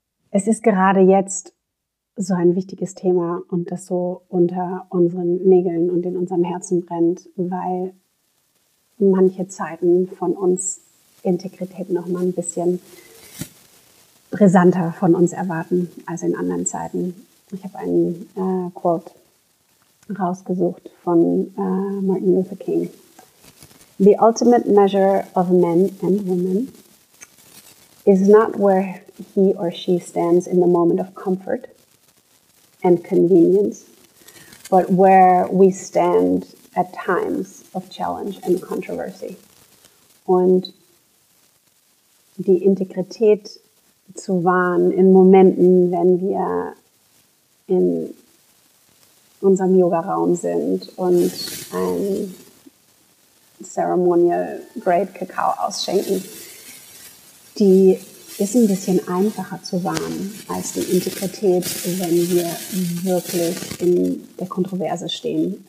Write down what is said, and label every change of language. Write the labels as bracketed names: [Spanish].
[German] Es ist gerade jetzt so ein wichtiges Thema und das so unter unseren Nägeln und in unserem Herzen brennt, weil manche Zeiten von uns Integrität noch mal ein bisschen brisanter von uns erwarten als in anderen Zeiten. Ich habe einen Quote rausgesucht von Martin Luther King. [English] The ultimate measure of men and women is not where he or she stands in the moment of comfort and convenience, but where we stand at times of challenge and controversy. [German] Und die Integrität zu wahren in Momenten, wenn wir in unserem Yoga-Raum sind und ein Ceremonial-Grade Kakao ausschenken, die ist ein bisschen einfacher zu wahren als die Integrität, wenn wir wirklich in der Kontroverse stehen.